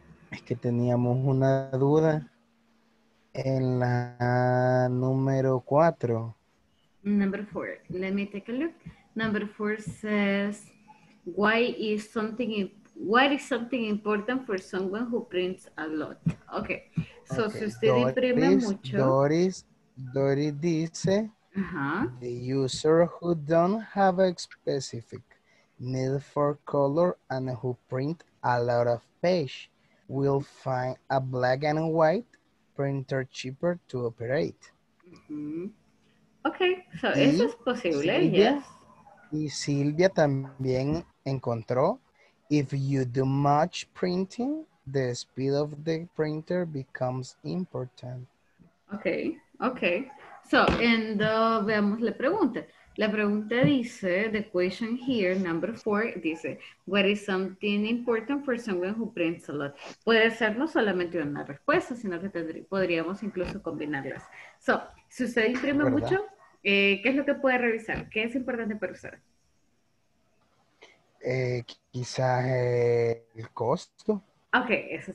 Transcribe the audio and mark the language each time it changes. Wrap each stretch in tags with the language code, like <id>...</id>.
<es>Es que teníamos una duda en la número 4.</es> <en>Number 4, let me take a look. Number 4 says, what is something important for someone who prints a lot?</en> <es>Okay. So, okay. Si usted Doris, imprime mucho. Doris dice, uh-huh.</es> <en>The user who don't have a specific need for color and who print a lot of page will find a black and white printer cheaper to operate.</en> <es>Mm-hmm. Okay, so y eso es posible, Silvia,</es> <en>yes.</en> <es>Y Silvia también encontró,</es> <en>if you do much printing, the speed of the printer becomes important. Okay, okay. So, and</en> <es>veamos la pregunta. La pregunta dice,</es> <en>the question here, number four, dice, what is something important for someone who prints a lot?</en> <es>Puede ser no solamente una respuesta, sino que podríamos incluso combinarlas. So, si usted imprime ¿verdad? Mucho, ¿qué es lo que puede revisar? ¿Qué es importante para usted? Quizás el costo. Ok, eso es.</es>